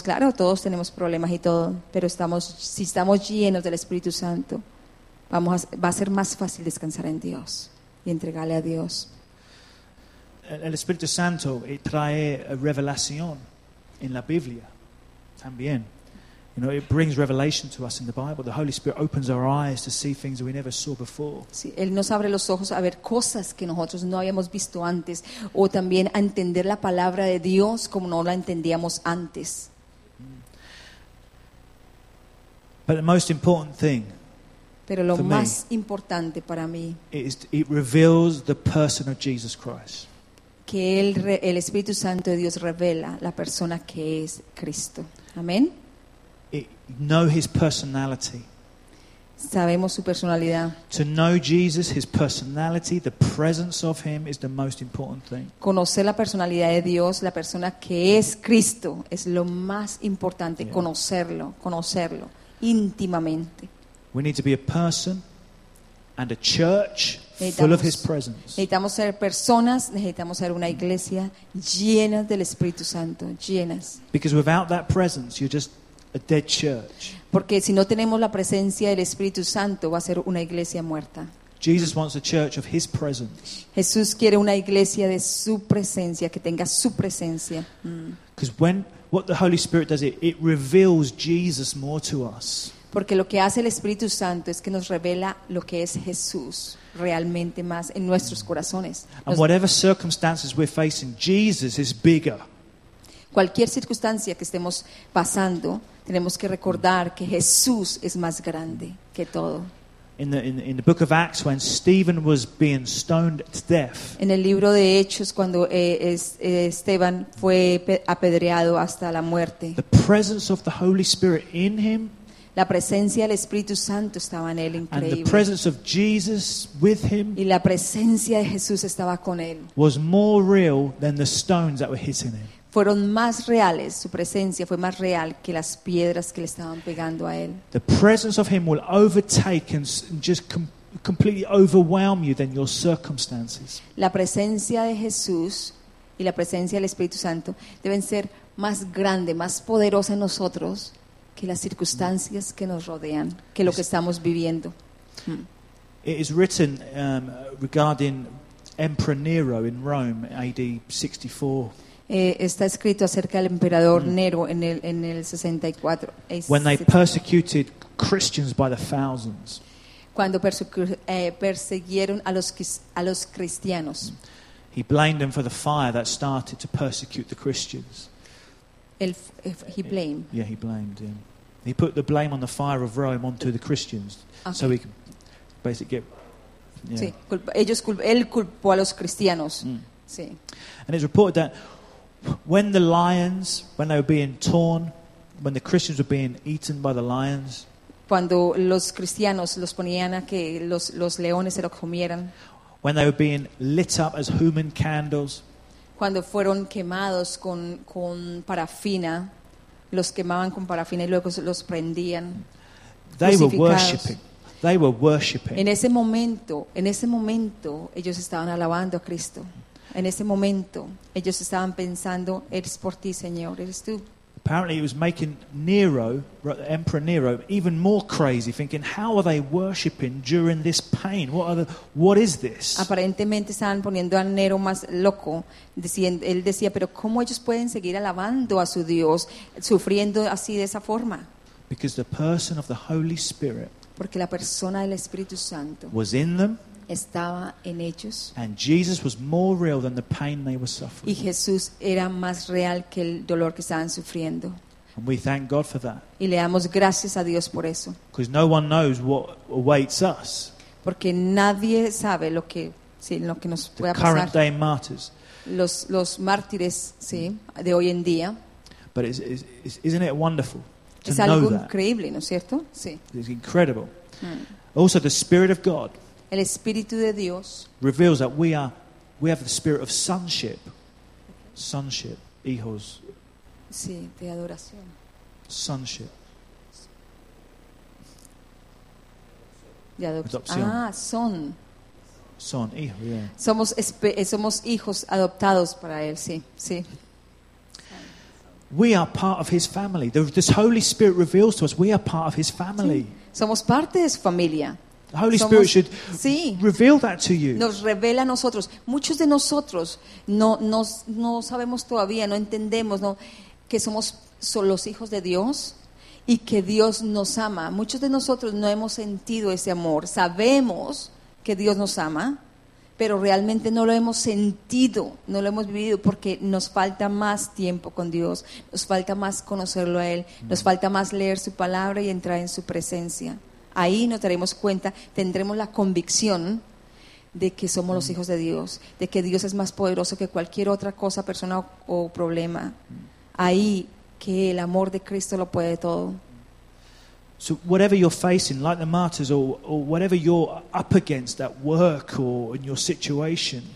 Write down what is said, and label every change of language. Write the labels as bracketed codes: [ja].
[es] Claro, todos tenemos problemas y todo, pero estamos, si estamos llenos del Espíritu Santo, va a ser más fácil descansar en Dios y entregarle a Dios. El Espíritu Santo trae revelación en la Biblia también. [en] You know, it brings revelation to us in the Bible. The Holy Spirit opens our eyes to see things that we never saw before. [es] Sí, él nos abre los ojos a ver cosas que nosotros no habíamos visto antes, o también a entender la palabra de Dios como no la entendíamos antes. [en] But the most important thing. [es] Pero lo más importante para mí. [en] It reveals the person of Jesus Christ. [es] Que el Espíritu Santo de Dios revela la persona que es Cristo. Amén. [en] Know his personality. [es] Sabemos su personalidad. [en] To know Jesus, his personality, the presence of him is the most important thing. [es] Conocer la personalidad de Dios, la persona que es Cristo, es lo más importante. Yeah. Conocerlo íntimamente. [en] We need to be a person and a church full of his presence. [es] Necesitamos ser personas, necesitamos ser una iglesia llena del Espíritu Santo, llenas. [en] Because without that presence, you're just a dead church. [es] Porque si no tenemos la presencia del Espíritu Santo, va a ser una iglesia muerta. [en] Jesus wants a church of his presence. [es] Jesús quiere una iglesia de su presencia, que tenga su presencia. [en] Because when what the Holy Spirit does, it reveals Jesus more to us. [es] Porque lo que hace el Espíritu Santo es que nos revela lo que es Jesús realmente más en nuestros corazones. [en] And whatever circumstances we're facing, Jesus is bigger. [es] Cualquier circunstancia que estemos pasando, tenemos que recordar que Jesús es más grande que todo. [en] In the book of Acts, when Stephen was being stoned to death. [es] En el libro de Hechos, cuando Esteban fue apedreado hasta la muerte. [en] The presence of the Holy Spirit in him. [es] La presencia del Espíritu Santo estaba en él, increíble. [en] And the presence of Jesus with him. [es] Y la presencia de Jesús estaba con él. [en] Was more real than the stones that were hitting him. [es] Fueron más reales, su presencia fue más real que las piedras que le estaban pegando a él. [en] The presence of him will overtake and just completely overwhelm you than your circumstances. [es] La presencia de Jesús y la presencia del Espíritu Santo deben ser más grande, más poderosa en nosotros que las circunstancias que nos rodean, que lo que estamos viviendo. [en] It is written regarding Emperor Nero in Rome, AD 64. [es] Está escrito acerca del emperador Nero en el 64. [en] When they persecuted Christians by the thousands. [es] Cuando persiguieron a los cristianos. [en] He blamed them for the fire that started to persecute the Christians. He blamed him. He put the blame on the fire of Rome onto the Christians. Okay. So he could basically get. Yeah. [es] Sí, él culpó a los cristianos. Sí. [en] And it's reported that. When the lions, when they were being torn, when the Christians were being eaten by the lions, [es] cuando los cristianos los ponían a que los leones se los comieran, [en] when they were being lit up as human candles, [es] cuando fueron quemados con parafina, los quemaban con parafina y luego los prendían, [en] they were worshiping. They were worshiping. [es] En ese momento, ellos estaban alabando a Cristo. En ese momento, ellos estaban pensando, eres por ti, Señor, eres tú. [en] Apparently, it was making Emperor Nero, even more crazy, thinking, how are they worshiping during this pain? What is this? [es] Aparentemente, estaban poniendo a Nero más loco. Él decía, pero ¿cómo ellos pueden seguir alabando a su Dios, sufriendo así de esa forma? [en] Because the person of the Holy Spirit. [es] Porque la persona del Espíritu Santo. [en] Was in them. [es] Estaba en ellos. [en] And Jesus was more real than the pain they were suffering. [es] Y Jesús era más real que el dolor que estaban sufriendo. [en] And we thank God for that. [es] Y le damos gracias a Dios por eso. [en] Because no one knows what awaits us. [es] Porque nadie sabe lo que nos puede pasar. [en] Current day martyrs. [es] Los mártires, sí, de hoy en día. [en] But it's, isn't it wonderful to know that? [es] Es algo increíble, ¿no es cierto? Sí. [en] It's incredible. Also, the Spirit of God. [es] El Espíritu de Dios [en] reveals that we have the spirit of sonship. Okay. Sonship, hijos. [es] Sí, de adoración. [en] Sonship. [es] De adopción. Ah, son. Son hijos, yeah. Somos hijos adoptados para él, sí. [en] We are part of his family. This Holy Spirit reveals to us we are part of his family. [es] Sí. Somos parte de su familia. [en] The Holy Spirit should reveal that to you. [es] Nos revela a nosotros. Muchos de nosotros no sabemos todavía, no entendemos, ¿no?, que somos los hijos de Dios y que Dios nos ama. Muchos de nosotros no hemos sentido ese amor. Sabemos que Dios nos ama, pero realmente no lo hemos sentido, no lo hemos vivido, porque nos falta más tiempo con Dios, nos falta más conocerlo a Él, nos falta más leer su palabra y entrar en su presencia. Ahí nos daremos cuenta, tendremos la convicción de que somos los hijos de Dios, de que Dios es más poderoso que cualquier otra cosa, persona o problema. Ahí que el amor de Cristo lo puede todo. [en] So whatever you're facing, like the martyrs, or whatever you're up against at work or in your situation,